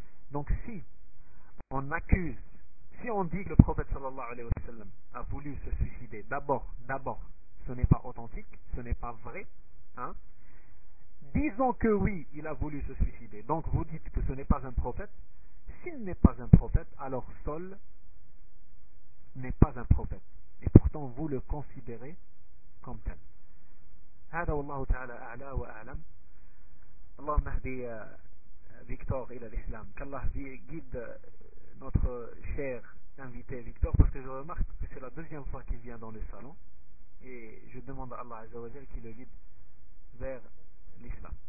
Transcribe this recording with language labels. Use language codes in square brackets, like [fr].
[fr] Donc si on accuse, si on dit que le prophète sallallahu alayhi wa sallam a voulu se suicider, d'abord, ce n'est pas authentique, ce n'est pas vrai, hein? Disons que oui, il a voulu se suicider, donc vous dites que ce n'est pas un prophète. S'il n'est pas un prophète, alors Saul n'est pas un prophète. Et pourtant, vous le considérez comme tel. [ar] هذا والله تعالى أعلى وأعلم. اللهم اهدي فيكتور إلى الإسلام. [fr] كالله guide notre cher invité Victor, parce que je remarque que c'est la deuxième fois qu'il vient dans le salon. Et je demande à Allah Azza wa Jal qu'il le guide vers l'islam.